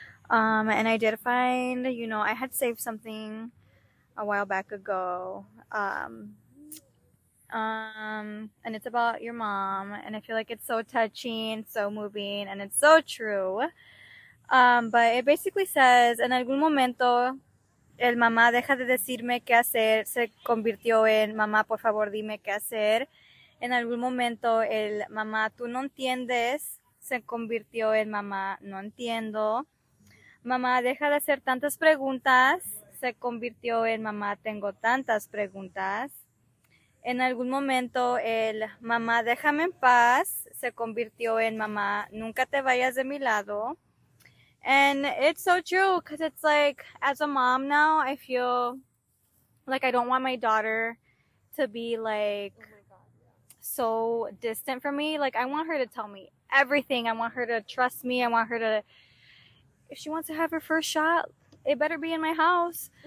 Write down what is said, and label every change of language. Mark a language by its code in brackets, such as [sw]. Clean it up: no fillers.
[en] And I did find, you know, I had saved something a while back ago. And it's about your mom. And I feel like it's so touching, so moving, and it's so true. But it basically says, [es] en algún momento... El mamá deja de decirme qué hacer, se convirtió en mamá, por favor, dime qué hacer. En algún momento, el mamá, tú no entiendes, se convirtió en mamá, no entiendo. Mamá, deja de hacer tantas preguntas, se convirtió en mamá, tengo tantas preguntas. En algún momento, el mamá, déjame en paz, se convirtió en mamá, nunca te vayas de mi lado. [en] And it's so true, because it's like, as a mom now, I feel like I don't want my daughter to be, like, so distant from me. Like, I want her to tell me everything. I want her to trust me. I want her to, if she wants to have her first shot, it better be in my house.